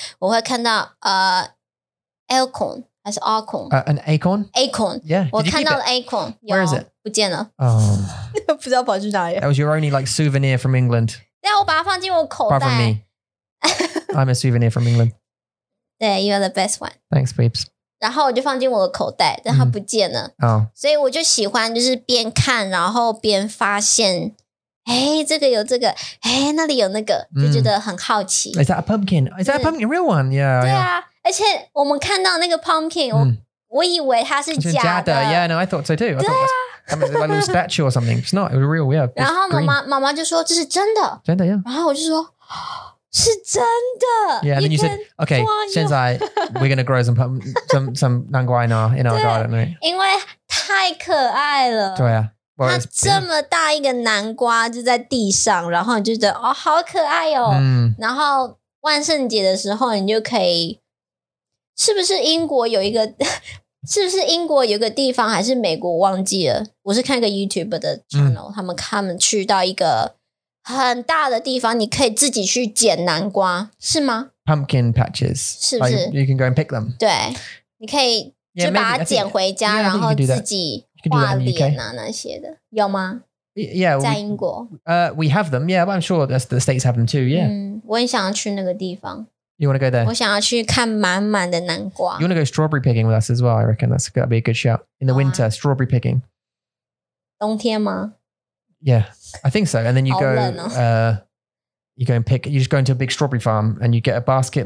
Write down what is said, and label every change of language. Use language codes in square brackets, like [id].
[zh] 我会看到acorn 还是 acorn、 [en] an acorn? acorn、 yeah. [zh] 我看到了 acorn [en] Where is it? [zh] 不见了、 [en] oh. [zh] 不知道跑去哪里 [en] That was your only like souvenir from England [zh] 但我把它放进我口袋 [en] Apart from me I'm a souvenir from England 对 You are the best one Thanks peeps [zh] 然后我就放进我的口袋，但它不见了。所以我就喜欢就是边看，然后边发现，哎，这个有这个，哎，那里有那个，就觉得很好奇。 [en] Is that a pumpkin? Is that a pumpkin? Real one? Yeah. [zh] 对啊，而且我们看到那个 pumpkin， 我以为它是假的。 [en] Yeah, no, I thought so too. [zh] 对啊。 [en] Like a little statue or something. It's not. It was real. Yeah. [zh] 然后妈妈就说这是真的。真的 ，Yeah。然后我就说。是真的 [en] Yeah, and then you said, okay, 现在 we're going to grow some 南瓜 in our garden, right? [zh] 因为太可爱了。对啊。它这么大一个南瓜就在地上然后你就觉得哦好可爱哦。然后万圣节的时候你就可以是不是英国有一个是不是英国有一个地方还是美国忘记了我是看一个 YouTube 的 channel, 他们去到一个很大的地方，你可以自己去捡南瓜，是吗 [en] ？Pumpkin patches， [zh] 是不是、like、 [en] ？You can go and pick them。 [zh] 对，你可以就把它捡回家， [en] yeah, maybe, think, [zh] 然后自己画脸啊那些的，有吗 [en] ？Yeah， [zh] 在英国。 [en] We have them. Yeah, I'm sure the states have them too. Yeah， [zh] 我很想要去那个地方。 [en] You want to go there? [zh] 我想要去看满满的南瓜。 [en] You want to go strawberry picking with us as well? I reckon that's gonna be a good show in the winter. Strawberry picking. [zh] 冬天吗？ [en] Yeah, I think so. And then you go, you go and pick, you just go into a big strawberry farm and you get a basket.